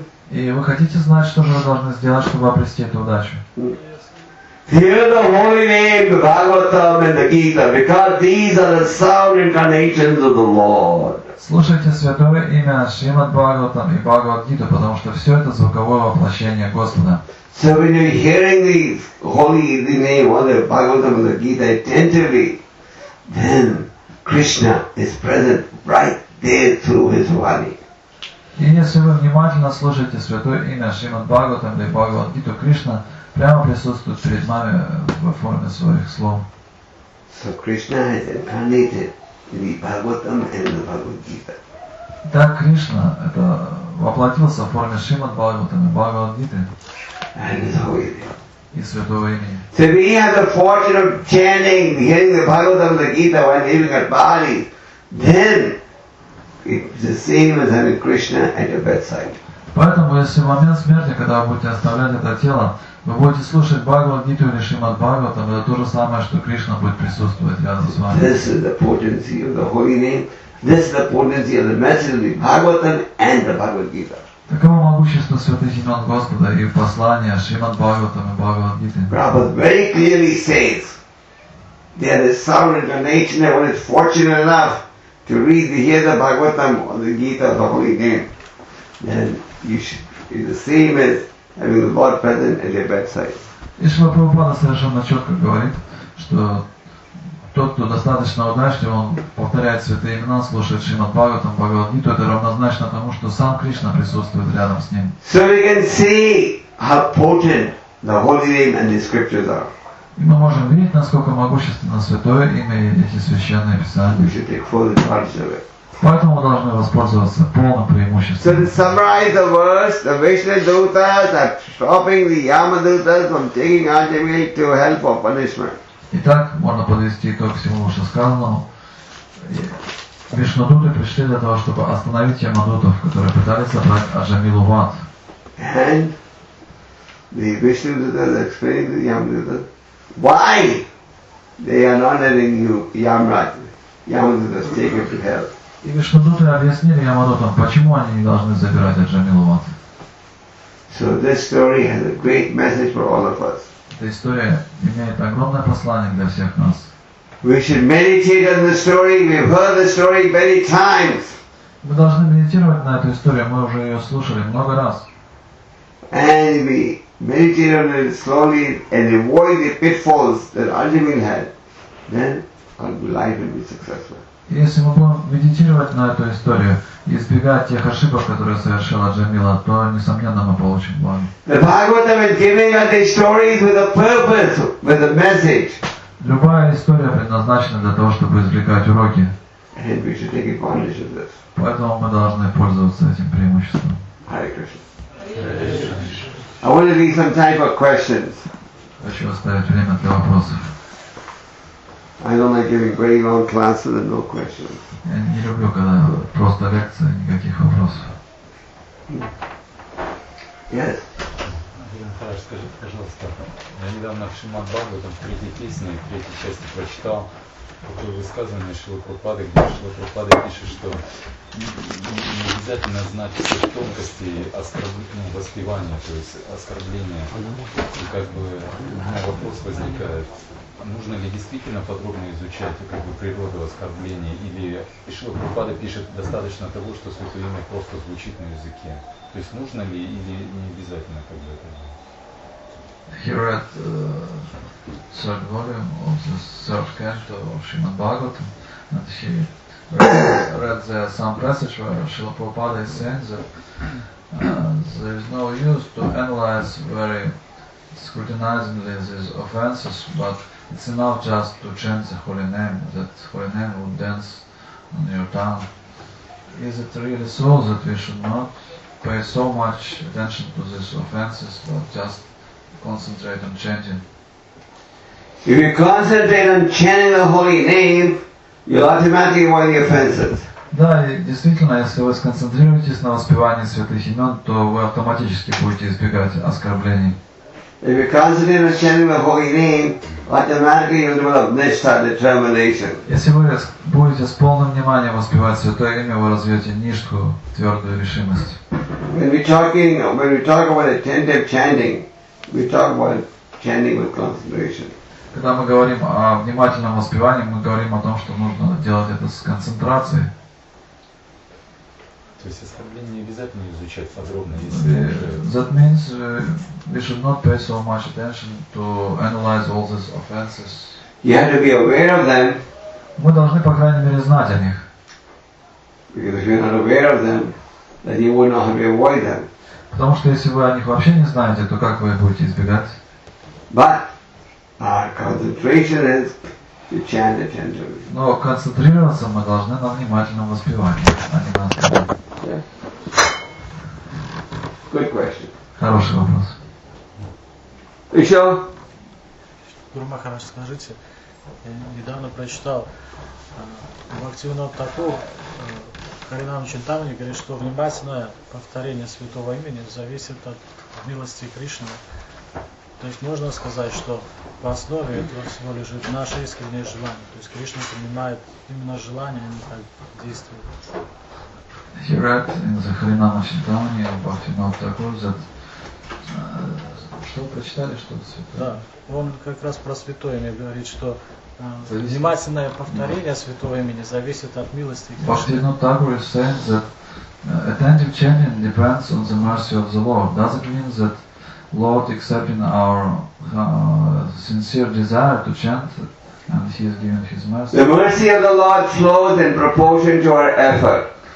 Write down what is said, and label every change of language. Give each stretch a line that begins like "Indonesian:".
Russian: И вы хотите знать, что же вы должны сделать, чтобы обрести эту удачу?
English: Hear the holy name, the Bhagavatam and the Gita, because these are the sound incarnations of the Lord.
Russian: Слушайте святое имя Шримад Бхагаватам и Бхагавад-гиту, потому что все это звуковое воплощение Господа.
English: So when you're hearing the holy name, or the Bhagavatam and the Gita attentively, then Krishna is present right there through His body.
Russian: И если вы внимательно слушаете святое имя Шримад Бхагаватам и Бхагавад-гиту, Кришна прямо присутствует перед нами во форме своих слов.
English: So Krishna has incarnated in the Bhagavatam and the Bhagavad-gita.
Russian: Да, Кришна это воплотился в форме Шримад Бхагаватам и Бхагавад-гиты.
English: And His holy name.
Russian: И святого имени.
English: So we have the fortune of chanting, hearing the Bhagavatam and the Gita while living at Bali. Then it's the same as having Krishna at your bedside.
Russian: Поэтому если в момент смерти, когда вы будете оставлять это тело, вы будете слушать Бхагавад-гиту или Шримад Бхагаватам, это то же самое, что Кришна будет присутствовать рядом с вами.
English: This is the potency of the holy name. This is the potency of the message of the Bhagavatam and the Bhagavad-gita.
Russian: Таково могущество святых имен Господа и послания Шримад Бхагаватам и Бхагавад-гиты.
English: Prabhupada very clearly says that the sovereign nation that one is fortunate enough to read, hear the Bhagavatam or the Gita, the holy name, then you should be the same as having the Lord present at your bedside.
Russian: И Шрила Прабхупада совершенно четко говорит, что тот, кто достаточно удачлив, он повторяет святые имена, слушает Шримад Бхагаватам, Бхагавад Гиту, это равнозначно тому, что сам Кришна присутствует рядом с ним.
English: So we can see how potent the holy name and the scriptures are.
Russian: И мы можем видеть, насколько могущественно святое имя и эти священные писания.
English: We should take full advantage of it.
Russian: Поэтому мы должны воспользоваться полным преимуществом.
English: So to summarize the verse, the Vishnu Dutas are stopping the Yama Dutas from taking Ajami to hell for punishment.
Russian: Итак, можно подвести итог всему вышесказанному. Вишну Дуты пришли для того, чтобы остановить Яма Дутов, которые пытались собрать Аджамилу в ад.
English: And the Vishnu Dutas explained to Yama Dutas why they are not letting you Yamraj, Yama Dutas take you to hell.
Russian: И Вишнудуты объяснили Ямадутам, почему они не должны забирать Аджамилу Ват.
English: So this story has a great message for all of us.
Russian: Эта история имеет огромное послание для всех нас.
English: We should meditate on the story. We've heard the story many times.
Russian: Мы должны медитировать на эту историю. Мы уже ее слушали много раз.
English: And we meditate on it slowly and avoid the pitfalls that Arjuna had. Then our life will be successful.
Russian: Если мы будем медитировать на эту историю и избегать тех ошибок, которые совершила Джамила, то, несомненно, мы получим благо.
English: The Bhagavatam is giving us these stories with a purpose, with a message.
Russian: Любая история предназначена для того, чтобы извлекать уроки.
English: And we should take advantage of this.
Russian: Поэтому мы должны пользоваться этим преимуществом.
English: Hare Krishna. I want to leave some time for questions.
Russian: Хочу оставить время для вопросов.
English: I don't like giving very long classes and no questions.
Russian: Я не люблю, когда просто лекция, никаких вопросов.
English: Yes.
Russian: Скажите, пожалуйста, я недавно в Шримад Бхагаватам третьей песне, в третьей части прочитал такое высказывание Шрилы Прабхупады, где Шрила Прабхупада пишет, что не обязательно знать все тонкости воспевания, то есть оскорбления. И как бы у меня вопрос возникает. Нужно ли действительно подробно изучать как бы природу оскорбления, или Шрила Прабхупада пишет достаточно того, что святое имя просто звучит на языке? То есть нужно ли или не обязательно как бы это?
English: He read the third volume of the third canto of Srimad Bhagavatam, and he read there some passage where Srila Prabhupada is saying that there is no use to analyze very scrutinizingly these offenses, but it's enough just to chant the holy name, that holy name would dance on your tongue. Is it really so that we should not pay so much attention to these offenses, but just concentrate on chanting? If you concentrate on chanting the holy name, you'll automatically avoid the offenses.
Russian: Да, действительно, если вы сконцентрируетесь на воспевании святых имен, то вы автоматически будете избегать оскорблений.
English: If you concentrate on chanting the holy name, automatically you'll develop nishtha, determination.
Russian: Если вы будете с полным вниманием воспевать святое имя, вы развьете нишку, твердую решимость.
English: When we talk about attentive chanting, we talk about chanting with concentration.
Russian: Когда мы говорим о внимательном воспевании, мы говорим о том, что нужно делать это с концентрацией. То есть оскорбление не обязательно изучать подробно.
English: That means we should not pay so much attention to analyze all these offenses. You have to be aware of them.
Russian: Мы должны, по крайней мере, знать о них.
English: Because if you're not aware of them, then you will not have to avoid them.
Russian: Потому что если вы о них вообще не знаете, то как вы будете избегать?
English: But our concentration is to chant attentively.
Russian: Но концентрироваться мы должны на внимательном воспевании, а не на оскорблении.
English: Yeah. Good question.
Russian: Хороший вопрос. Еще? Гуру Махарадж, скажите, я недавно прочитал Бхактивинода Тхакура, Харинам Чинтамани говорит, что внимательное повторение святого имени зависит от милости Кришны. То есть можно сказать, что в основе этого всего лежит наше искреннее желание. То есть Кришна принимает именно желание, а не так действует.
English: He read in the Харинам Чинтамани and Бхактивинода Тхакура that
Russian: что вы прочитали, что это святое? Да, он как раз про святое имя говорит, что внимательное повторение святого имени зависит от милости Кришны.
English: Бхактивинода Тхакура is saying that attentive chanting depends on the mercy of the Lord. Does it mean that Lord accepting our sincere desire to chant and He is giving His mercy? The mercy of the Lord flows in proportion to our effort.